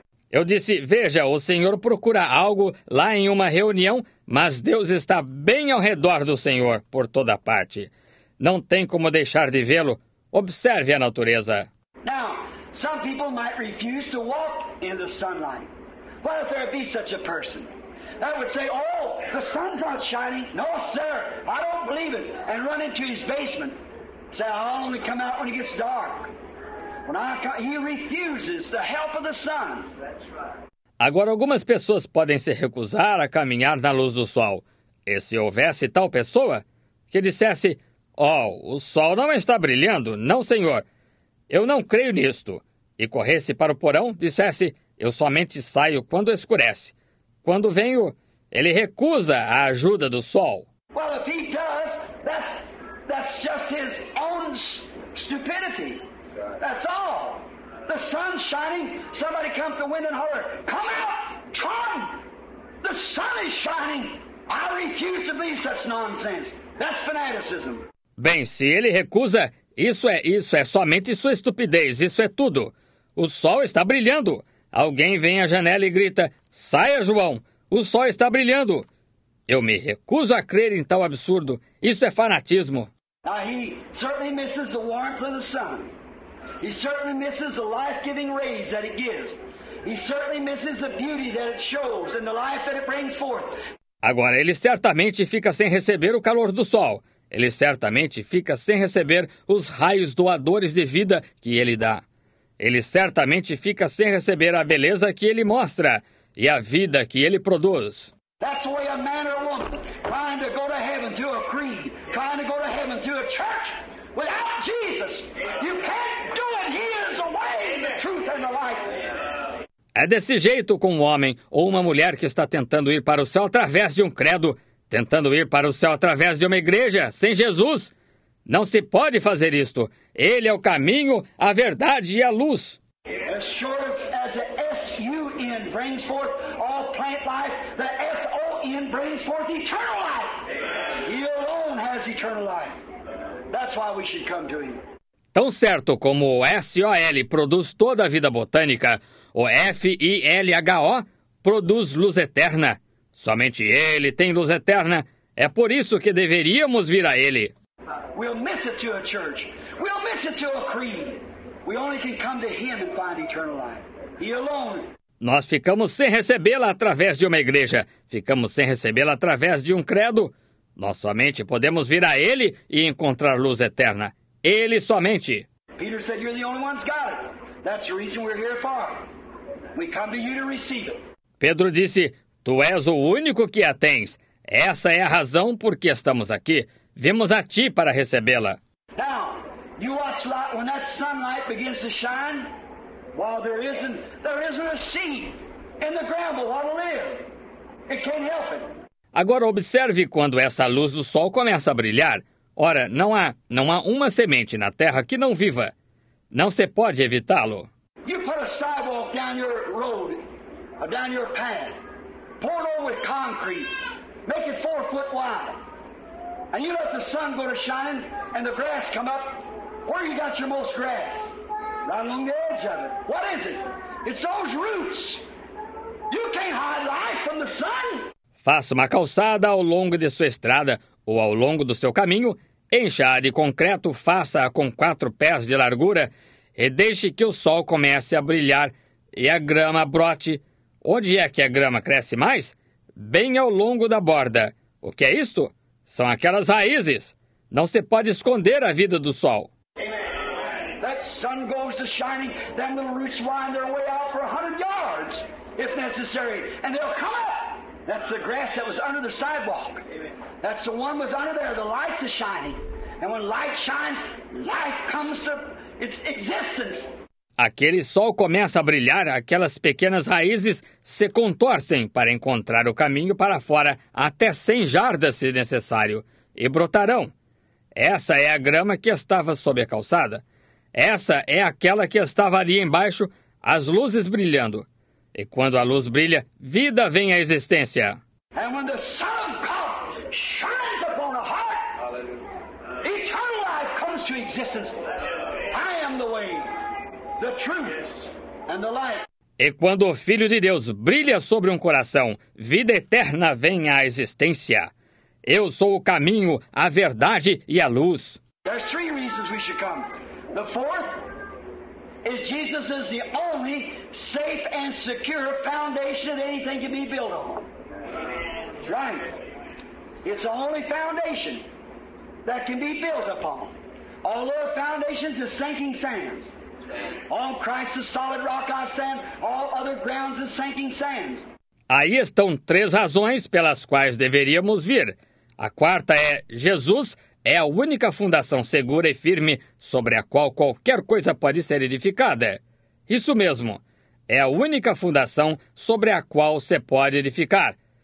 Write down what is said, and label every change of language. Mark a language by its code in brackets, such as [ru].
[pt] Eu disse, veja, o senhor procura algo lá em uma reunião, mas Deus está bem ao redor do senhor, por toda parte. Não tem como deixar de vê-lo. Observe a natureza. [en] Now, some people might refuse to walk in the sunlight. What if there be such a person? That would say, oh, the sun's not shining. No, sir, I don't believe it. And run into his basement. Say, I'll only come out when it gets dark. He refuses the help of the sun. [pt] Agora, algumas pessoas podem se recusar a caminhar na luz do sol. E se houvesse tal pessoa que dissesse, oh, o sol não está brilhando, não, senhor. Eu não creio nisto. E corresse para o porão, dissesse, eu somente saio quando escurece. Quando venho, ele recusa a ajuda do sol. [en] Well, if he does, that's just his own stupidity. That's all. The sun's shining. Somebody come to the window and holler, come out, Tron. The sun is shining. I refuse to believe such nonsense. That's fanaticism. [pt] Bem, se ele recusa, isso é somente sua estupidez. Isso é tudo. O sol está brilhando. Alguém vem à janela e grita, saia, João. O sol está brilhando. Eu me recuso a crer em tal absurdo. Isso é fanatismo. [en] Now he certainly misses the warmth of the sun. He certainly misses the life-giving rays that it gives. He certainly misses the beauty that it shows and the life that it brings forth. [pt] Agora, ele certamente fica sem receber o calor do sol. Ele certamente fica sem receber os raios doadores de vida que ele dá. Ele certamente fica sem receber a beleza que ele mostra e a vida que ele produz. [en] That's the way a man or a woman trying to go to heaven through a creed, trying to go to heaven through a church without Jesus. You can't do it. He is the way, the truth and the life. [pt] É desse jeito com um homem ou uma mulher que está tentando ir para o céu através de um credo, tentando ir para o céu através de uma igreja sem Jesus. Não se pode fazer isto. Ele é o caminho, a verdade e a luz. [en] As sure as the S-U-N brings forth all plant life, the S-O-N brings forth eternal life. He alone has eternal life. That's why we should come to him. [pt] Tão certo como o S-O-L produz toda a vida botânica, o F-I-L-H-O produz luz eterna. Somente ele tem luz eterna. É por isso que deveríamos vir a ele. [en] We'll miss it to a church. We'll miss it to a creed. We only can come to him and find eternal life. He alone. [pt] Nós ficamos sem recebê-la através de uma igreja. Ficamos sem recebê-la através de um credo. Nós somente podemos vir a ele e encontrar luz eterna. Ele somente. [en] Peter said you're the only ones got it. That's the reason we're here for. We come to you to receive it. [pt] Pedro disse, tu és o único que a tens. Essa é a razão por que estamos aqui. Vimos a ti para recebê-la. [en] Now, you watch light, when that sunlight begins to shine, while there isn't a seed in the ground but what'll live. It can't help it. [pt] Agora observe quando essa luz do sol começa a brilhar. Ora, não há uma semente na terra que não viva. Não se pode evitá-lo. [en] You put a sidewalk down your road, or down your path, pour it over with concrete, make it 4 foot wide. And you let the sun go to shining and the grass come up. Where you got your most grass? Right along the edge of it. What is it? It's those roots. You can't hide life from the sun. [pt] Faça uma calçada ao longo de sua estrada ou ao longo do seu caminho. Encha-a de concreto, faça-a com 4 pés de largura e deixe que o sol comece a brilhar e a grama brote. Onde é que a grama cresce mais? Bem ao longo da borda. O que é isto? São aquelas raízes. Não se pode esconder a vida do sol. [en] That sun goes to shining, then the roots wind their way out for 100 yards, if necessary, and they'll come up. That's the grass that was under the sidewalk. That's the one was under there. The light's shining. And when light shines, life comes to its existence. [pt] Aquele sol começa a brilhar, aquelas pequenas raízes se contorcem para encontrar o caminho para fora, até 100 jardas, se necessário, e brotarão. Essa é a grama que estava sob a calçada. Essa é aquela que estava ali embaixo, as luzes brilhando. E quando a luz brilha, vida vem à existência. E quando o sol brilha sobre o coração, a vida eterna vem à existência. Eu sou o caminho. [en] The truth and the light. [pt] E quando o Filho de Deus brilha sobre um coração, vida eterna vem à existência. Eu sou o caminho, a verdade e a luz. [en] There's 3 reasons we should come. The fourth is Jesus is the only safe and secure foundation that anything can be built on. Right. It's the only foundation that can be built upon. All other foundations are sinking sands. All Christ is solid rock I stand, all other grounds is sinking sand. [pt] Aí estão 3 razões pelas quais deveríamos vir. A quarta é, Jesus é a única fundação segura e firme sobre a qual qualquer coisa pode ser edificada. Isso mesmo, é a única fundação sobre a qual se pode edificar.